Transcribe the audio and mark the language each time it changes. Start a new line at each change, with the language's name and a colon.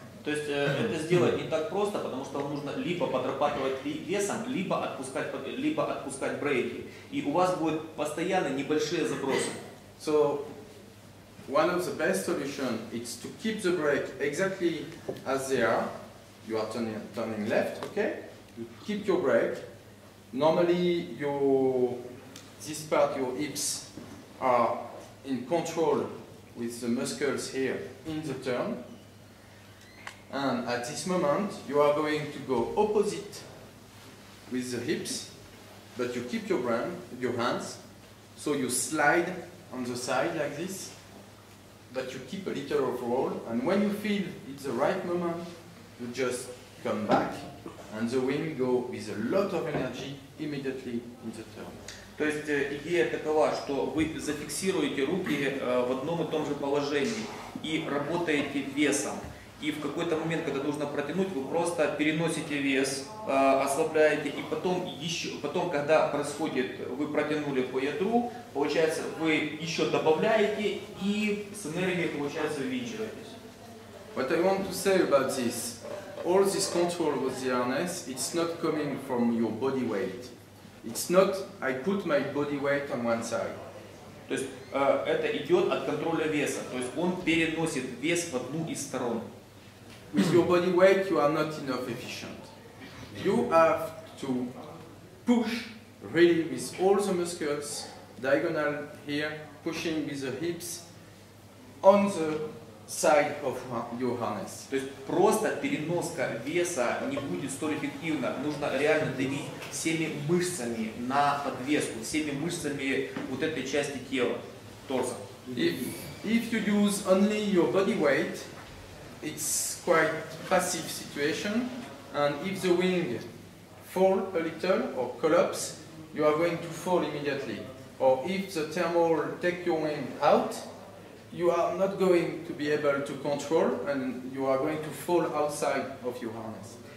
Russian: То есть это сделать не так просто, потому что вам нужно либо подрабатывать весом, либо отпускать брейки. И у вас будут постоянно небольшие забросы.
English: So one of the best solution is to keep the brake exactly as they are. You are turning left, okay? You keep your brake. Normally this part, your hips, are in control with the muscles here in the turn. And at this moment, you are going to go opposite with the hips, but you keep your hands, so you slide on the side like this, but you keep a little of roll, and when you feel it's the right moment, you just come back, and the wing go with a lot of energy immediately in the turn.
Russian: То есть идея такова, что вы зафиксируете руки в одном и том же положении и работаете весом. И в какой-то момент, когда нужно протянуть, вы просто переносите вес, ослабляете, и потом еще, потом, когда происходит, вы протянули по ядру, получается, вы еще добавляете и с энергией, получается, увеличиваетесь.
English: What I want to say about this, all this control with the harness, it's not coming from your body weight. It's not I put my body weight on one side.
Russian: То есть это идет от контроля веса. То есть он переносит вес в одну из сторон.
English: With your body weight, you are not enough efficient. You have to push really with all the muscles, diagonal here, pushing with the hips on the side of your harness.
Russian: То есть просто переноска веса не будет столь эффективна. Нужно реально давить всеми мышцами на подвеску, всеми мышцами вот этой части тела, торса.
English: If you use only your body weight, it's quite passive situation, and if the wing fall a little or collapse, you are going to fall immediately. Or if the thermal take your wing out, you are not going to be able to control, and you are going to fall outside of your harness.